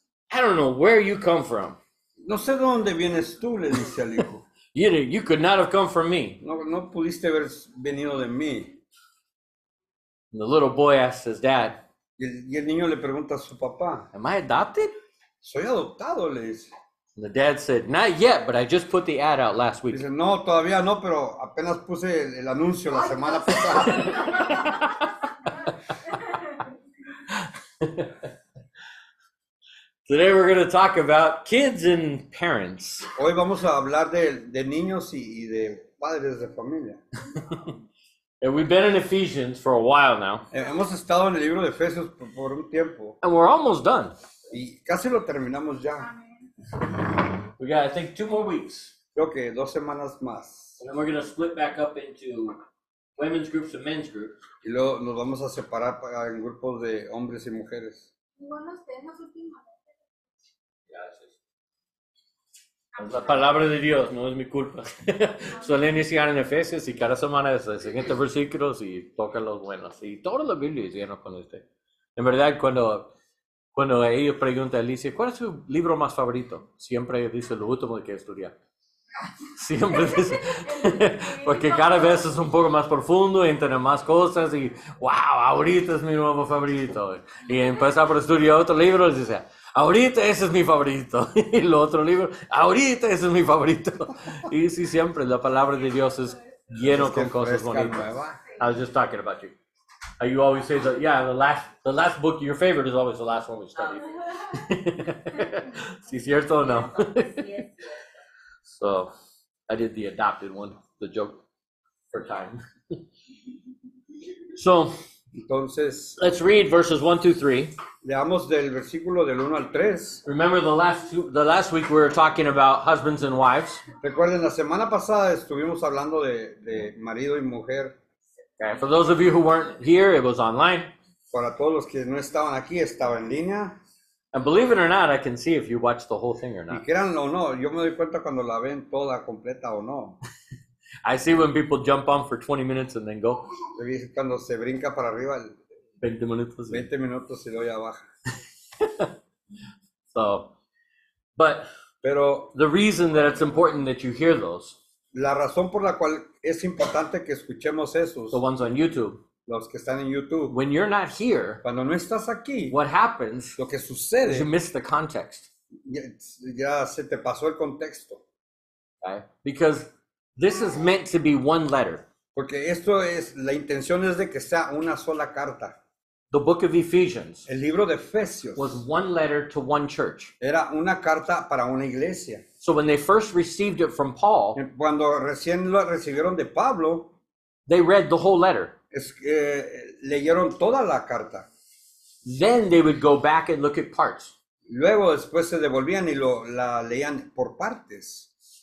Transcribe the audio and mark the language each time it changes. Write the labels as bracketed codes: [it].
[en] I don't know where you come from. [es] No sé de dónde vienes tú, le dice al hijo. [en] You could not have come from me. [es] No pudiste haber venido de mí. [en] And the little boy asks his dad. [es] Y el niño le pregunta a su papá. [en] Am I adopted? [es] Soy adoptado, le dice. [en] The dad said, not yet, but I just put the ad out last week. He said, [es] no, todavía no, pero apenas puse el anuncio la semana pasada. [en] Today we're going to talk about kids and parents. [es] Hoy vamos a hablar de niños y de padres de familia. [en] And we've been in Ephesians for a while now. [es] Hemos estado en el libro de Efesios por un tiempo. [en] And we're almost done. [es] Y casi lo terminamos ya. [en] We got, I think, 2 more weeks. [es] Okay, 2 semanas más. [en] And then we're going to split back up into women's groups and men's groups. [es] Y luego nos vamos a separar en grupos de hombres y mujeres. Gracias. La palabra de Dios, no es mi culpa. Suele iniciar en Efesios y cada semana es el siguiente versículo y toca los buenos. Y toda la Biblia es llena con este. En verdad, cuando ellos preguntan a Alicia, ¿cuál es su libro más favorito? Siempre dice lo último que estudia. Siempre dice. Porque cada vez es un poco más profundo, entra en más cosas y ¡wow! Ahorita es mi nuevo favorito. Y empieza por estudiar otro libro y dice, ¡ahorita ese es mi favorito! Y el otro libro, ¡ahorita ese es mi favorito! Y sí, siempre la palabra de Dios es lleno con cosas bonitas. Nueva. [en] I was just talking about you. You always say that, yeah, the last book, your favorite, is always the last one we study. [es] ¿Sí es cierto o no? [en] So, I did the adopted one, the joke for time. So, [es] entonces, [en] let's read verses 1-3. [es] Leamos del versículo del 1 al 3. [en] Remember the last week we were talking about husbands and wives. [es] Recuerden, la semana pasada estuvimos hablando de marido y mujer. [en] Okay. For those of you who weren't here, it was online. [es] Para todos los que no estaban aquí, estaba en línea. [en] And believe it or not, I can see if you watched the whole thing or not. [es] Y créanlo o no, yo me doy cuenta cuando la ven toda completa o no. [en] I see when people jump on for 20 minutes and then go. [es] Cuando se brinca para arriba. 20 minutos. 20 minutos y luego ya baja. [en] So, but [es] pero, [en] the reason that it's important that you hear those. [es] La razón por la cual es importante que escuchemos esos. [en] The ones on YouTube. [es] Los que están en YouTube. [en] When you're not here. [es] Cuando no estás aquí. [en] What happens. [es] Lo que sucede. [en] You miss the context. [es] Ya se te pasó el contexto. [en] Okay. Because this is meant to be one letter. [es] Porque esto es, la intención es de que sea una sola carta. [en] The book of Ephesians. [es] El libro de Efesios. [en] Was one letter to one church. [es] Era una carta para una iglesia. [en] So when they first received it from Paul. [es] Cuando recién lo recibieron de Pablo. [en] They read the whole letter. [es] Leyeron toda la carta. [en] Then they would go back and look at parts. [es] Luego después se devolvían y la leían por partes.